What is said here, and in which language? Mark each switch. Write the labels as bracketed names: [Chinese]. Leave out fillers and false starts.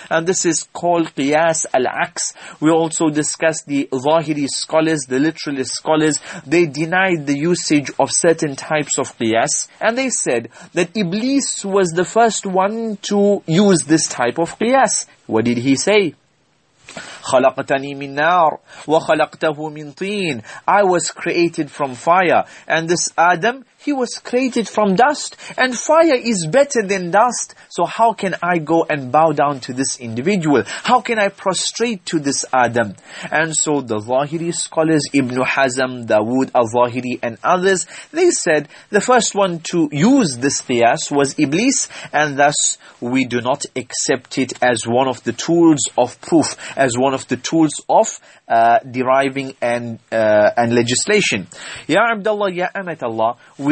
[English] And this is called Qiyas al-Aks. We also discussed the Zahiri scholars, the literalist scholars. They denied the usage of certain types of Qiyas. And they said that Iblis was the first one to use this type of Qiyas. What did he say? [Arabic] خلقتني من نار وخلقته من طين. [English] I was created from fire, and this Adam, he was created from dust, and fire is better than dust. So how can I go and bow down to this individual? How can I prostrate to this Adam? And so the Zahiri scholars, Ibn Hazm, Dawood al-Zahiri, and others, they said the first one to use this qiyas was Iblis, and thus we do not accept it as one of the tools of proof, as one of the tools of deriving and legislation. Ya Abdullah, Ya Amat Allah, we